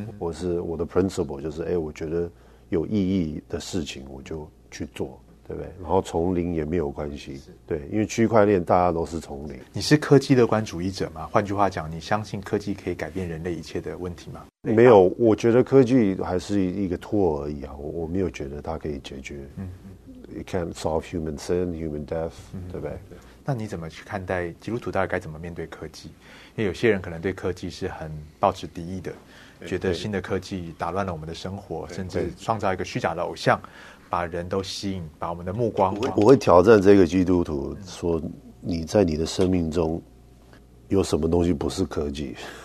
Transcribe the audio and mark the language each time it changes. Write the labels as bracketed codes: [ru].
[zh] 我的 principle 就是，我觉得有意义的事情我就去做，对不对？然后从零也没有关系，对，因为区块链大家都是从零。你是科技乐观主义者吗？换句话讲，你相信科技可以改变人类一切的问题吗？没有，我觉得科技还是一个 tool 而已啊，我没有觉得它可以解决。 [en] It can't solve human sin, human death， [zh] 对不对？那你怎么去看待基督徒大概该怎么面对科技？因为有些人可能对科技是很抱持敌意的，觉得新的科技打乱了我们的生活，甚至创造一个虚假的偶像，把人都吸引，把我们的目光。我会挑战这个基督徒说，你在你的生命中有什么东西不是科技？